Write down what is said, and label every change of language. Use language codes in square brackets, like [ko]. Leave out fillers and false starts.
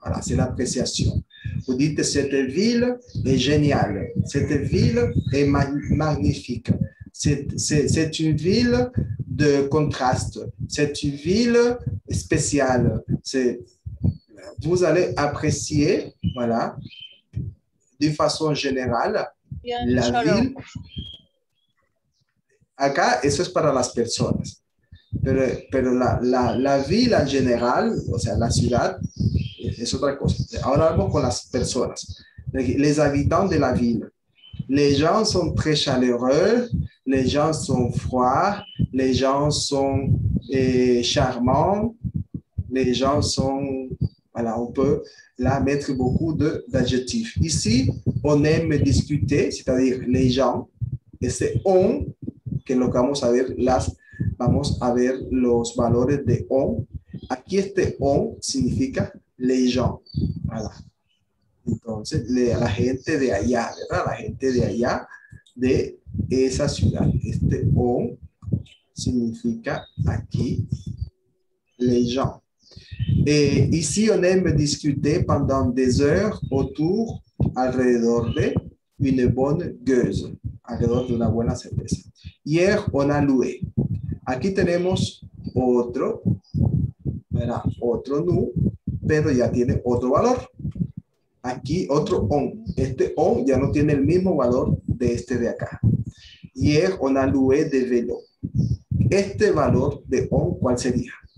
[fr] Voilà, c'est l'appréciation. Vous dites, cette ville est géniale, cette ville est magnifique, c'est une ville de contraste. C'est une ville spéciale. C'est, vous allez apprécier, voilà, d'une façon générale, la ville. [es] Acá, eso es para las personas. Pero la ville en général, o sea, la ciudad, es otra cosa. Ahora vamos con las personas. [fr] Les habitants de la ville. Les gens sont très chaleureux, les gens sont froids, les gens sont charmants, les gens sont, voilà, on peut là mettre beaucoup d'adjectifs. Ici, on aime discuter, c'est-à-dire les gens, et c'est on, [es] que lo que vamos a ver, vamos a ver los valores de on. Aquí este on significa [fr] les gens, voilà. [es] Entonces, la gente de allá, ¿verdad? La gente de allá, de esa ciudad. Este on significa aquí, [fr] les gens. Et ici, on aime discuter pendant des heures autour, alrededor de une bonne gueuse, [es] alrededor de una buena cerveza. [fr] Hier, on a loué. [es] Aquí tenemos otro, ¿verdad? Otro nu, pero ya tiene otro valor. Aquí, otro on. Este on ya no tiene el mismo valor de este de acá. [fr] Hier, on a loué de vélo. [es] Este valor de on, ¿cuál sería?